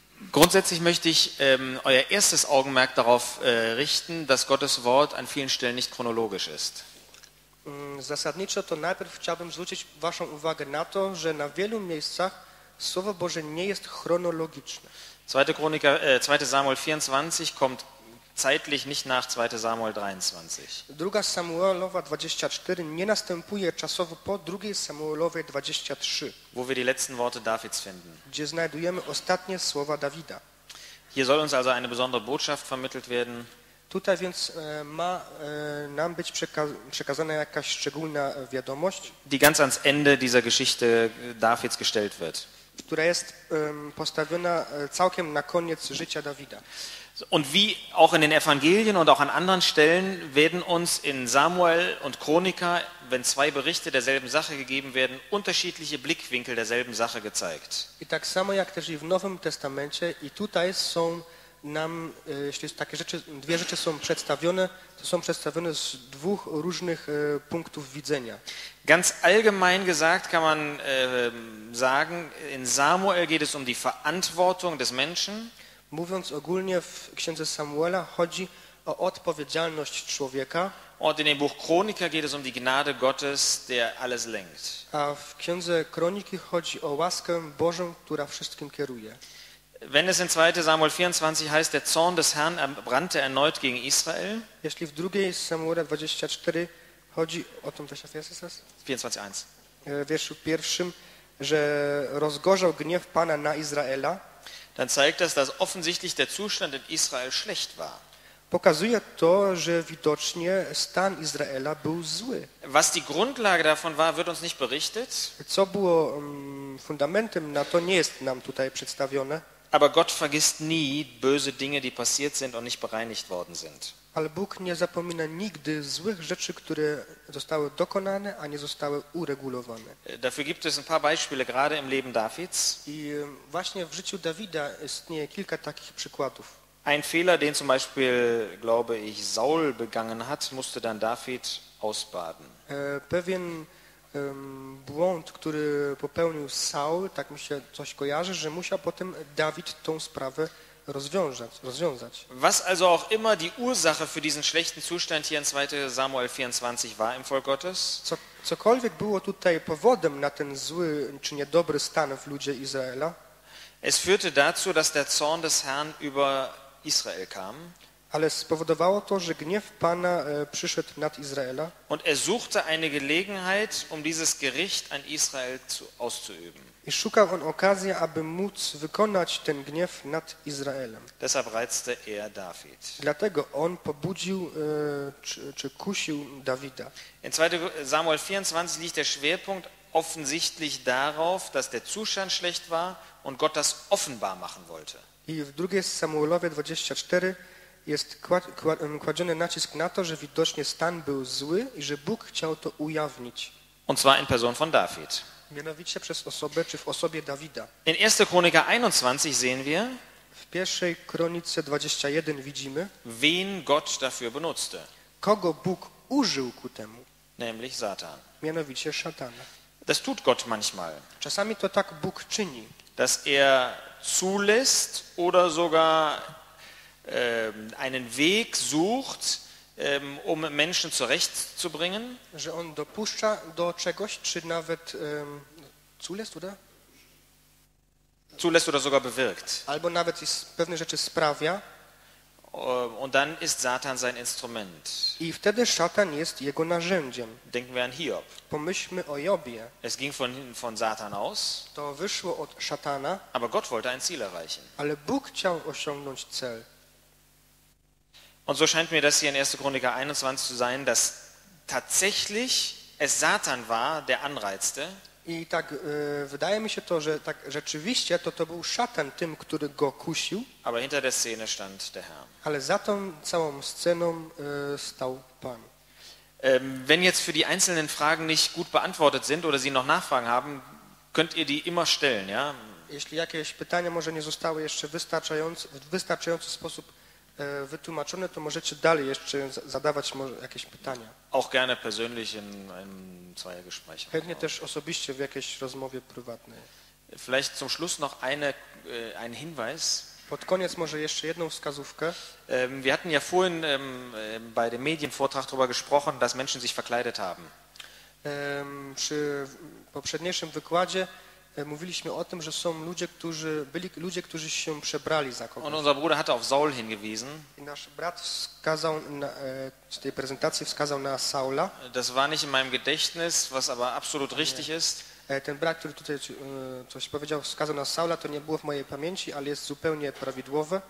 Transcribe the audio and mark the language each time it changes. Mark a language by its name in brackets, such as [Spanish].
[German] Grundsätzlich möchte ich euer erstes Augenmerk darauf richten, dass Gottes Wort an vielen Stellen nicht chronologisch ist. [Polish] Zasadniczo to najpierw chciałbym zwrócić waszą uwagę na to, że na wielu miejscach Słowo Boże nie jest chronologiczne. [German] 2 Samuel 24 kommt zeitlich nicht nach 2 Samuel 23. [Polish] 2 Samuelowa 24 nie następuje czasowo po 2 Samuelowej 23. [German] Wo wir die letzten Worte Davids finden. [Polish] Gdzie znajdujemy ostatnie słowa Dawida. [German] Hier soll uns also eine besondere Botschaft vermittelt werden. [Polish] Tutaj więc ma nam być przekazana jakaś szczególna wiadomość, [German] die ganz ans Ende dieser Geschichte Davids gestellt wird. [Polish] Która jest postawiona całkiem na koniec życia Dawida. [German] Und wie auch in den Evangelien und auch an anderen Stellen werden uns in Samuel und Chronika, wenn zwei Berichte derselben Sache gegeben werden, unterschiedliche Blickwinkel derselben Sache gezeigt. [Polish] I tak samo jak też i w Nowym Testamencie i tutaj są nam, jeśli takie rzeczy, dwie rzeczy są przedstawione, to są przedstawione z dwóch różnych punktów widzenia. [German] Ganz allgemein gesagt kann man sagen, in Samuel geht es um die Verantwortung des Menschen. [Polish] Mówiąc ogólnie, w Księdze Samuela chodzi o odpowiedzialność człowieka. [German] Und in dem Buch Chronika geht es um die Gnade Gottes, der alles lenkt. [Polish] A w Księdze Kroniki chodzi o łaskę Bożą, która wszystkim kieruje. [German] Wenn es in 2 Samuel 24 heißt, der Zorn des Herrn brannte erneut gegen Israel. [Polish] Jeśli w 2 Samuel 24 chodzi o tym, wiesz, jest [German] das? 24:1. [Polish] W wierszu pierwszym, że rozgorzał gniew Pana na Izraela. [German] Dann zeigt das, dass offensichtlich der Zustand in Israel schlecht war. [Polish] Pokazuje to, że widocznie stan Izraela był zły. [German] Was die Grundlage davon war, wird uns nicht berichtet. [Polish] Co było fundamentem, na to nie jest nam tutaj przedstawione. [German] Aber Gott vergisst nie böse Dinge, die passiert sind und nicht bereinigt worden sind. [Polish] Ale Bóg nie zapomina nigdy złych rzeczy, które zostały dokonane, a nie zostały uregulowane. [German] Dafür gibt es ein paar Beispiele gerade im Leben Davids. [Polish] I właśnie w życiu Dawida istnieje kilka takich przykładów. [German] Ein Fehler, den zum Beispiel, glaube ich, Saul begangen hat, musste dann David ausbaden. [Polish] Pewien błąd, który popełnił Saul, tak mi się coś kojarzy, że musiał potem Dawid tą sprawę rozwiązać. [German] Was also auch immer die Ursache für diesen schlechten Zustand hier in 2 Samuel 24 war im Volk Gottes. [Polish] Cokolwiek było tutaj powodem na ten zły czy niedobry stan w ludzie Izraela. [German] Es führte dazu, dass der Zorn des Herrn über Israel kam. [Polish] Ale spowodowało to, że gniew Pana przyszedł nad Izraela. [German] Und er suchte eine Gelegenheit, um dieses Gericht an Israel auszuüben. [Polish] I szukał on okazji, aby móc wykonać ten gniew nad Izraelem. [German] Deshalb reizte er David. [Polish] Dlatego on pobudził czy kusił Dawida. [German] In 2. Samuel 24 liegt der Schwerpunkt offensichtlich darauf, dass der Zustand schlecht war und Gott das offenbar machen wollte. [Polish] I w 2. Samuelowie 24 jest kładziony nacisk na to, że widocznie stan był zły i że Bóg chciał to ujawnić. [German] Und zwar in Person von David. [Polish] Mianowicie przez osobę, czy w osobie Dawida. [German] In 1. Chronika 21 sehen wir, [Polish] w 1. Kronice 21 widzimy, [German] wen Gott dafür benutzte. [Polish] Kogo Bóg użył ku temu. [German] Nämlich Satan. [Polish] Mianowicie szatana. [German] Das tut Gott manchmal. [Polish] Czasami to tak Bóg czyni. [German] Dass er zulässt oder sogar einen Weg sucht, um Menschen zurechtzubringen. [Polish] Że on dopuszcza do czegoś, czy nawet [German] zulässt, oder? Zulässt oder sogar bewirkt. [Polish] Albo nawet pewne rzeczy sprawia. [German] Und dann ist Satan sein Instrument. [Polish] I wtedy Szatan jest jego narzędziem. [German] Denken wir an Hiob. [Polish] Pomyślmy o Jobie. [German] Es ging von Satan aus. [Polish] To wyszło od Szatana. [German] Aber Gott wollte ein Ziel erreichen. [Polish] Ale Bóg chciał osiągnąć cel. [German] Und so scheint mir das hier in 1. Chroniker 21 zu sein, dass tatsächlich es Satan war, der anreizte. [Polish] I tak wydaje mi się to, że tak rzeczywiście to był Szatan tym, który go kusił. [German] Aber hinter der Szene stand der Herr. [Polish] Ale za tą całą sceną stał Pan. [German] Wenn jetzt für die einzelnen Fragen nicht gut beantwortet sind oder Sie noch Nachfragen haben, könnt ihr die immer stellen, ja? [Polish] Jeśli jakieś pytania może nie zostały jeszcze w wystarczający sposób wytłumaczone, to możecie dalej jeszcze zadawać może jakieś pytania. [German] Auch gerne persönlich in Zweiergesprächen. [Polish] Chętnie też osobiście w jakiejś rozmowie prywatnej. [German] Vielleicht zum Schluss noch ein Hinweis. [Polish] Pod koniec może jeszcze jedną wskazówkę. [German] Wir hatten ja vorhin bei dem Medienvortrag darüber gesprochen, dass Menschen sich verkleidet haben. [Polish] Przy poprzedniejszym wykładzie mówiliśmy o tym, że są ludzie, którzy byli ludzie, którzy się przebrali za kogoś. [German] Und unser Bruder hatte auf Saul hingewiesen. [Polish] I nasz brat wskazał z tej prezentacji wskazał na Saula. [German] Das war nicht in meinem Gedächtnis, was aber absolut richtig ist. [Polish] Ten brat, który tutaj coś powiedział, wskazał na Saula, to nie było w mojej pamięci, ale jest zupełnie prawidłowe.